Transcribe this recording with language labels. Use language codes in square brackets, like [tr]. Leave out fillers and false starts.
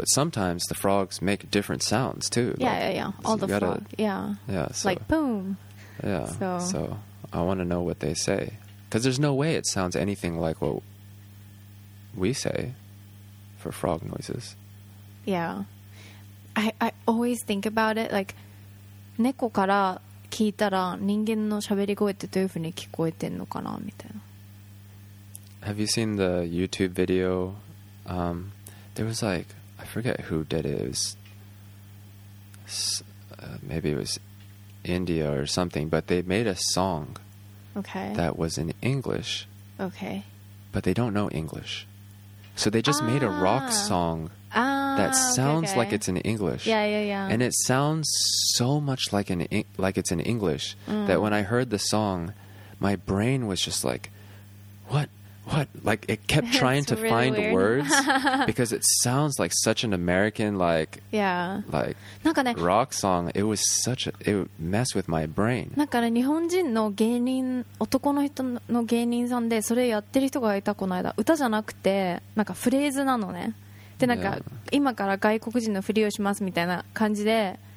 [en] But sometimes the frogs make different sounds too. Yeah, like, yeah. All the frogs. Yeah. Yeah. So, like boom. Yeah. So I want to know what they say, because there's no way it sounds anything like what we say for frog noises. Yeah, I always think about it like. [ja] 猫から聞いたら人間の喋り声ってどういう風に聞こえてんのかなみたいな。 [en] Have you seen the YouTube video? There was like, I forget who did it. Maybe it was India or something, but they made a song. Okay. That was in English. Okay. But they don't know English, so they just made a rock song. That sounds okay. like it's in English. Yeah, yeah, yeah. And it sounds so much like it's in English that when I heard the song, my brain was just like, what? What? Like, it kept trying it's to really find weird. Words because it sounds like such an American, like, yeah. like rock song. It was such a, it would mess with my brain. [ja] なんかね、日本人の芸人、男の人の芸人さんで、それやってる人がいたこの間、歌じゃなくて、なんかフレーズなのね。でなんか今から外国人のふりをしますみたいな感じで